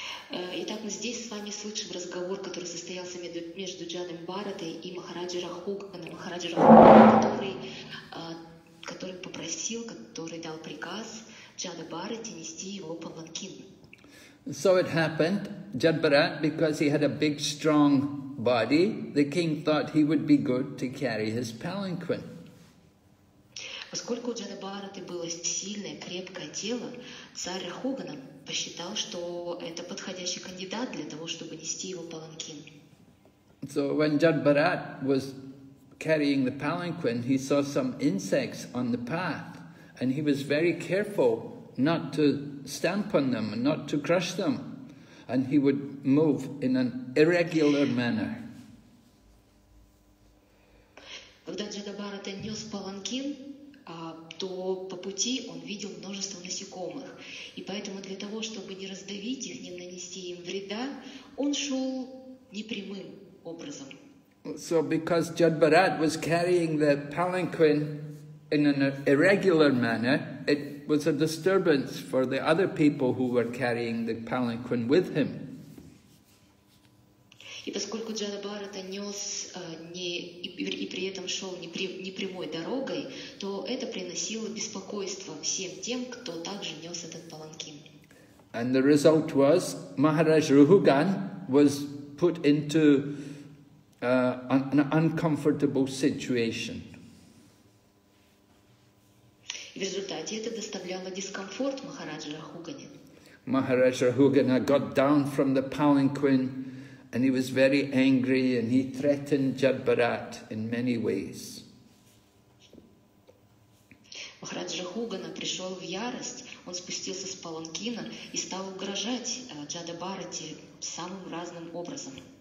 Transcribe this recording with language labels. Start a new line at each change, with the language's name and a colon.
Russian: Итак, мы здесь с вами слышим разговор, который состоялся между Джадбхаратой и Махараджей Рахуганой, который попросил, который дал приказ Джадбхарате нести его паланкин.
English: So it happened, Jadbharat, because he had a big, strong body, the king thought he would be good to carry his palanquin.
Russian: Поскольку у Джадбхараты было сильное, крепкое тело, царь Рахугана посчитал, что это подходящий кандидат для того, чтобы нести его паланкин.
English: So when Jadbharat was carrying the palanquin, he saw some insects on the path, and he was very careful not to stamp on them, not to crush them, and he would move in an irregular manner.
Russian: Когда Джадбхарата нес паланкин, то по пути он видел множество насекомых. И поэтому для того, чтобы не раздавить их, не нанести им вреда, он шел непрямым образом.
English: So because Jadbharat was carrying the palanquin in an irregular manner, it was a disturbance for the other people who were carrying the palanquin with him.
Russian: И поскольку Джадбхарата нес и при этом шел непрямой дорогой, то это приносило беспокойство всем тем, кто также нес этот паланкин.
English: And the result was Maharaj Rahugan was put into an uncomfortable situation.
Russian: И в результате это доставляло дискомфорт Махараджа Рахугане.
English: Maharaj Rahugana got down from the palanquin. And he was very angry, and he threatened Jadbharat in many ways.
Russian: Махарадж Рахугана пришел в ярость. Он спустился с паланкина и стал угрожать Джадбхарате самым разным образом.